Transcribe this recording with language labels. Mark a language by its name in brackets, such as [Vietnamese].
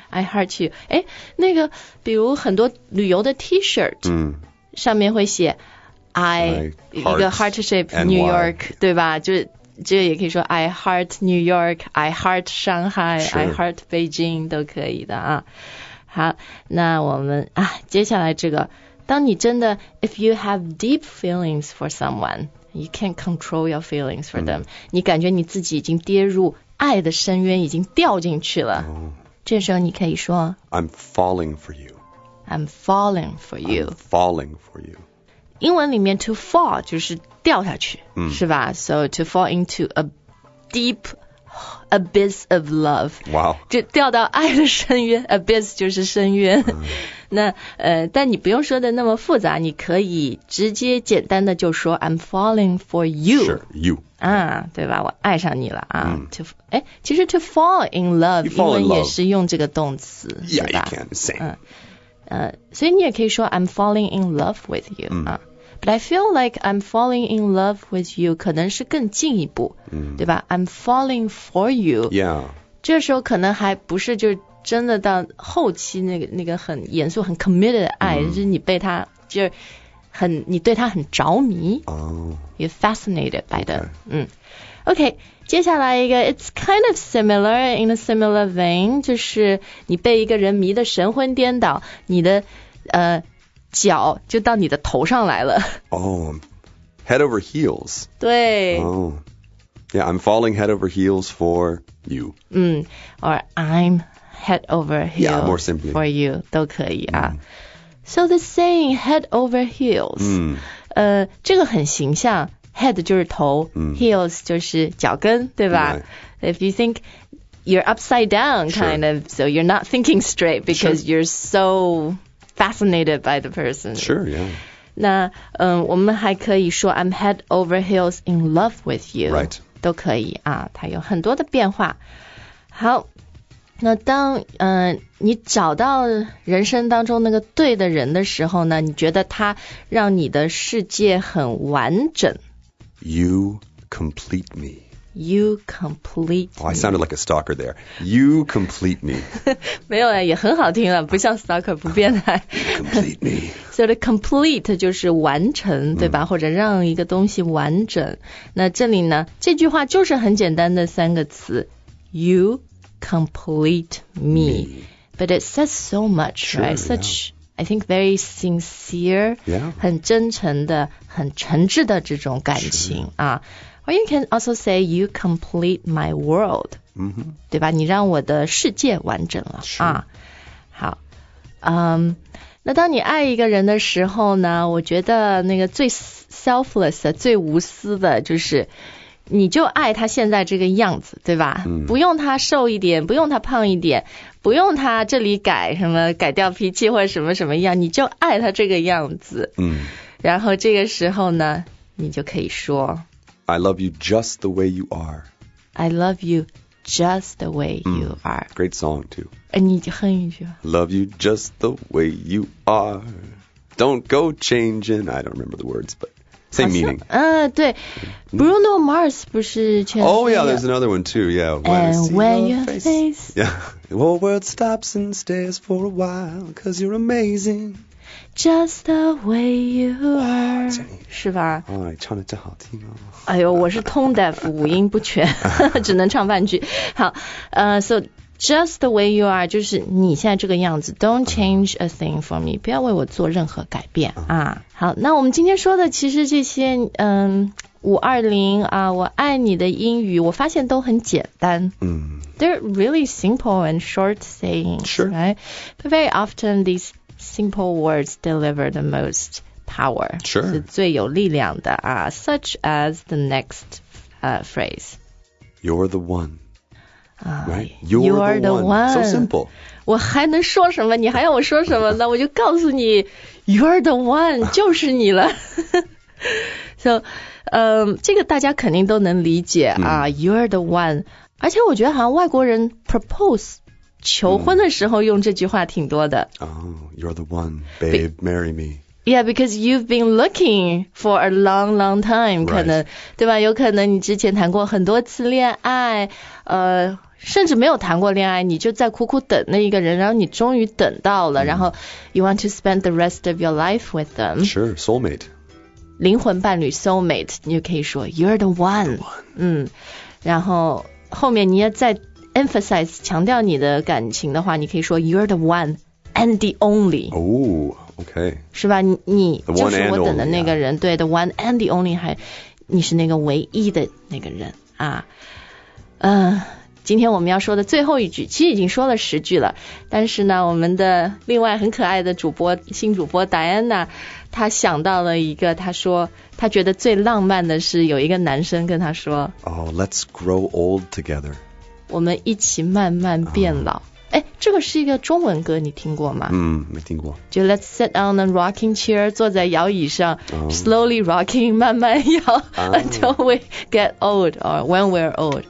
[English] I heart you. [Chinese] 诶那个比如很多旅游的 T-shirt,、上面会写 I, 一个 heart shape New York, 对吧就这也可以说 [English] I heart New York, I heart Shanghai,、 sure. I heart Beijing, [Chinese] 都可以的啊。好那我们啊接下来这个当你真的 [English] if you have deep feelings for someone,You can't control your feelings for them.、 [Chinese] 你感觉你自己已经跌入爱的深渊，已经掉进去了。这时候你可以说 [English] I'm falling for you. I'm falling for you. I'm falling for you. [Chinese] 英文里面 [English] to fall [Chinese] 就是掉下去、是吧 [English] So to fall into a deep abyss of love. Wow. [Chinese] 就掉到爱的深渊 Abyss 就是深渊、那但你不用说的那么复杂，你可以直接简单的就说 [English] I'm falling for you. Sure, you. [Chinese] 啊，对吧？我爱上你了啊。其实 to fall in love 英文也是用这个动词， [English] yeah, [Chinese] 对吧？ [English] Yeah, you can same. [Chinese] 所以你也可以说 [English] I'm falling in love with you. 啊。 But I feel like I'm falling in love with you. [Chinese] 可能是更进一步，对吧？ [English] I'm falling for you. Yeah. [Chinese] 这时候可能还不是就。真的到后期那个很严肃很 committed 的爱、就是你被他就是很你对他很着迷哦、 [English] you're fascinated by them、 okay. [Chinese] OK 接下来一个 [English] it's kind of similar in a similar vein [Chinese] 就是你被一个人迷得神魂颠倒你的脚就到你的头上来了 [English] 哦、head over heels [Chinese] 对 [English] 哦、yeah I'm falling head over heels for you or I'mHead over heels yeah, more simply. for you [Chinese] 都可以啊、 [English] So the saying head over heels、 [Chinese] 这个很形象 Head 就是头、Heels 就是脚跟对吧、 [English] right. If you think you're upside down kind、 sure. of So you're not thinking straight Because、 sure. you're so fascinated by the person Sure, yeah [Chinese] 那、我们还可以说 [English] I'm head over heels in love with you Right [Chinese] 都可以啊它有很多的变化好那当你找到人生当中那个对的人的时候呢，你觉得他让你的世界很完整。 [English] You complete me. You complete me. Oh, I sounded like a stalker there. You complete me. [Chinese] 没有啊，也很好听了，不像 stalker， 不变态。 [English] complete me. So the complete [Chinese] 就是完成，对吧？ 或者让一个东西完整。那这里呢，这句话就是很简单的三个词 ，you。 [English] Complete me. me, but it says so much, sure, right? Such,、 yeah. I think, very sincere, yeah, [Chinese] 很真诚的、很诚挚的这种感情、 [English] sure. 啊。 Or you can also say you complete my world. 嗯哼， [Chinese] 对吧？你让我的世界完整了是啊。好，嗯、那当你爱一个人的时候呢？我觉得那个最 selfless 的、最无私的，就是你就爱他现在这个样子，对吧？嗯。不用他瘦一点，不用他胖一点，不用他这里改什么，改掉脾气或者什么什么样，你就爱他这个样子。嗯。然后这个时候呢，你就可以说。 [English] I love you just the way you are. I love you just the way you are. Great song too. 你就哼一句吧。 Love you just the way you are. Don't go changing. I don't remember the words, but same meaning. [Chinese] 对。 Bruno Mars 不是全世界。 [English] Oh yeah, there's another one too. Yeah. When your face. Yeah. The whole world stops and stares for a while, cause you're amazing. Just the way you are, [Chinese] 是吧？哎，唱的真好听哦！哎呦，我是tone deaf，五音不全，只能唱半句。好， [English] so just the way you are [Chinese] 就是你现在这个样子 ， [English] don't change a thing for me， [Chinese] 不要为我做任何改变啊。好，那我们今天说的其实这些，520啊，我爱你的英语，我发现都很简单。 [English] They're really simple and short sayings, sure. Right? But very often these. Simple words deliver the most power. Sure. [Chinese] 是最有力量的啊 [English] such as the next phrase. You're the one. Right? You're the one. So simple. [Chinese] 我还能说什么？你还要我说什么呢？我就告诉你 ， [English] You're the one， [Chinese] 就是你了。 [English] So, [Chinese] 这个大家肯定都能理解啊、 [English] You're the one. [Chinese] 而且我觉得好像外国人 propose. 求婚的时候用这句话挺多的。 [English] Oh, you're the one, babe, marry me. Yeah, because you've been looking for a long, long time, [Chinese] 可能、 [English] right. [Chinese] 对吧？有可能你之前谈过很多次恋爱，甚至没有谈过恋爱，你就在苦苦等那一个人，然后你终于等到了，然后 [English] you want to spend the rest of your life with them. Sure, soulmate. [Chinese] 灵魂伴侣 soulmate, 你就可以说 [English] you're the one. The one. [Chinese] 然后后面你要再。 [English] Emphasize [Chinese] 强调你的感情的话，你可以说 [English] You're the one and the only. Oh, okay. [Chinese] 是吧？你就是我等的那个人，对 ， [English] the one and the only， [Chinese] 还你是那个唯一的那个人啊。今天我们要说的最后一句，其实已经说了十句了，但是呢，我们的另外很可爱的主播新主播 Diana， 她想到了一个，她说她觉得最浪漫的是有一个男生跟她说 [English] ，Oh, let's grow old together. [Chinese] 我们一起慢慢变老。哎、这个是一个中文歌，你听过吗？没听过。 [English] 就 Let's sit on a rocking chair， [Chinese] 坐在摇椅上、， [English] slowly rocking， [Chinese] 慢慢摇、， [English] until we get old or when we're old。